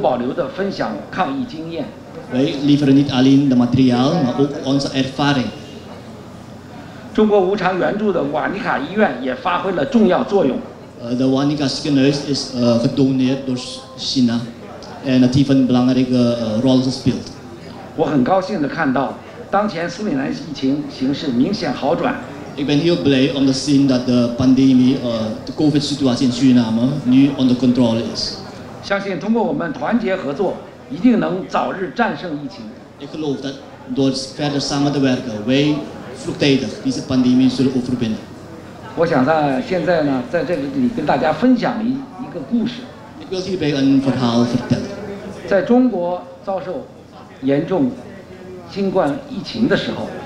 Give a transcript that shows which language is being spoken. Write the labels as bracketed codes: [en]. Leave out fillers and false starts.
[zh] 积极提供物资援助，毫无保留地分享抗疫经验。 [nl] Wij leveren niet alleen de materiaal, maar ook onze ervaring. [zh] 中国无偿援助的瓦尼卡医院也发挥了重要作用。 [nl] De Wanika ziekenhuis is gedoneerd door China en het heeft een belangrijke rol gespeeld. [zh] 我很高兴地看到，当前苏里南疫情形势明显好转。 [nl] Ik ben heel blij om te zien dat de pandemie, de COVID-situatie in Suriname nu onder controle is. [zh] 相信通过我们团结合作，一定能早日战胜疫情。 [nl] Ik geloof dat door verder samen te werken, wij vroegtijdig deze pandemie zullen overwinnen. [zh] 我想在现在呢，在这里跟大家分享一个故事。 [nl] Ik wil hierbij een verhaal vertellen. [zh] 在中国遭受严重新冠疫情的时候，